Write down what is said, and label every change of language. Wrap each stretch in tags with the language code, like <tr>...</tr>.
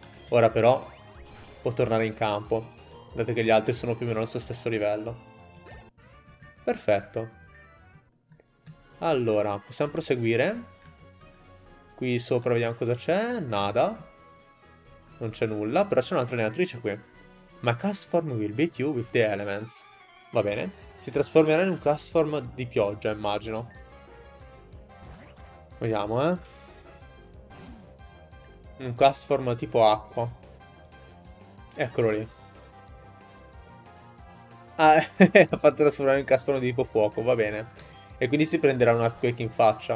<it>Ora però può tornare in campo, dato che gli altri sono più o meno allo stesso livello. Perfetto. Allora, possiamo proseguire. Qui sopra vediamo cosa c'è. Nada. Non c'è nulla, però c'è un'altra allenatrice qui.</it> <en>My cast form will beat you with the elements.</en> <it>Va bene. Si trasformerà in un cast form di pioggia, immagino. Vediamo, un cast form tipo acqua. Eccolo lì. Ah, ha fatto trasformare un cascone di tipo fuoco, va bene. E quindi si prenderà un earthquake in faccia.</it>